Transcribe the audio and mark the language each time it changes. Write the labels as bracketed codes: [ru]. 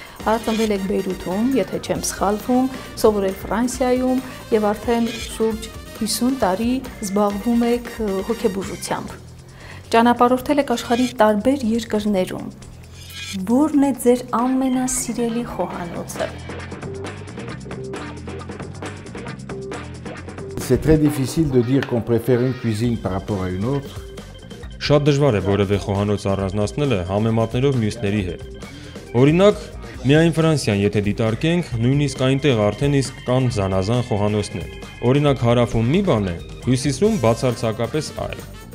[hy] Հարցնվել եք Բեյրութում, եթե չեմ սխալվում, սովորել Ֆրանսիայում եւ արդեն շուրջ 50 տարի զբաղվում եք հոգեբուժությամբ։ Ճանապարհորդել եք աշխարհի տարբեր երկրներում։ Որն է ձեր ամենասիրելի խոհանոցը։ [fr] C'est très difficile de dire qu'on préfère une cuisine par rapport à une autre. [hy] Շատ դժվար է որևէ խոհանոց առանձնացնել համեմատներով մյուսների հետ։ Օրինակ, միայն Ֆրանսիան, եթե դիտարկենք, նույնիսկ այնտեղ արդեն իսկ կան զանազան խոհանոցներ։ Օրինակ, հարավում մի բան է, հյուսիսում բացարձակապես այլ։